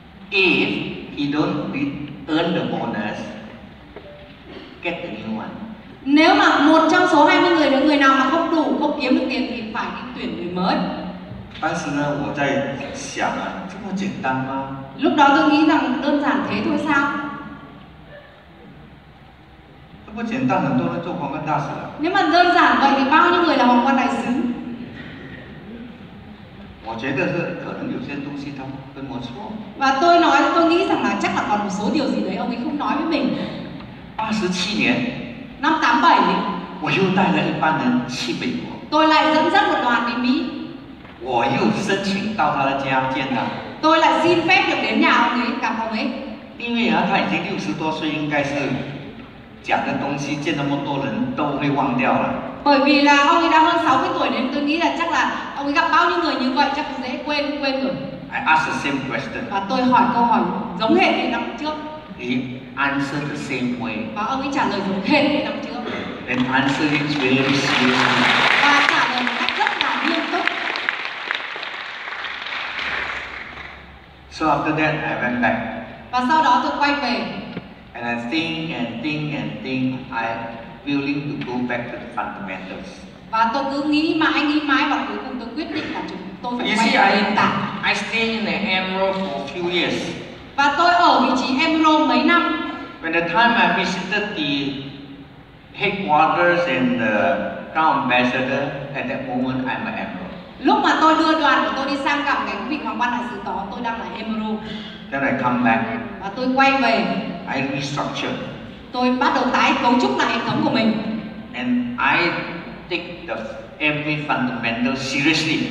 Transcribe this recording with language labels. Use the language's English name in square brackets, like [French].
[English] If he don't earn the bonus, get the new one. [Vietnamese] Nếu mà một trong số 20 người đó người nào mà không đủ, không kiếm được tiền thì phải đi tuyển người mới. [Chinese] 但是呢，我在想啊，这么简单吗？ [Vietnamese] Lúc đó tôi nghĩ rằng đơn giản thế thôi sao? [Chinese] 这么简单，很多人做皇冠大使了。 [Vietnamese] Nếu mà đơn giản vậy thì bao nhiêu người là hoàng quan đại sứ? [Chinese] 我觉得是可能有些东西他跟我说。 [Vietnamese] Và tôi nói, tôi nghĩ rằng là chắc là còn một số điều gì đấy ông ấy không nói với mình. [Chinese] 87年. [Vietnamese] Năm 87. [Chinese] 我又带了一班人去美国。 [Vietnamese] Tôi lại dẫn dắt một đoàn đi Mỹ. [Chinese] 我又申请到他的家见他。 [Vietnamese] Tôi lại xin phép được đến nhà ông ấy gặp ông ấy. [Chinese] 因为啊，他已经60多岁，应该是。讲的东西见那么多人都会忘掉了. [Vietnamese] Bởi vì là ông ấy đã hơn 60 tuổi nên tôi nghĩ là chắc là ông ấy gặp bao nhiêu người như vậy chắc dễ quên rồi. [English] I ask the same question. [Vietnamese] Và tôi hỏi câu hỏi giống hệt như năm trước. [English] He answer the same way. [Vietnamese] Và ông ấy trả lời giống hệt như năm trước. [English] And answer it very seriously. [Vietnamese] Và trả lời một cách rất là nghiêm túc. [English] So after that I went back. [Vietnamese] Và sau đó tôi quay về. [English] And I think, I'm willing to go back to the fundamentals. [Vietnamese] Và tôi cứ nghĩ mãi và cuối cùng tôi quyết định là tôi phải quay lại nền tảng. [English] I stay in the Emerald for a few years. [Vietnamese] Và tôi ở vị trí Emerald mấy năm. [English] When the time I visited the headquarters and the crown ambassador, at that moment I'm an Emerald. [Vietnamese] Lúc mà tôi đưa đoàn của tôi đi sang gặp cái vị hoàng quan đại sứ đó, tôi đang là Emerald. [English] Then I come back. [Vietnamese] Và tôi quay về. [English] I restructure. [Vietnamese] Tôi bắt đầu tái cấu trúc lại hệ thống của mình. [English] And I take the every fundamental seriously.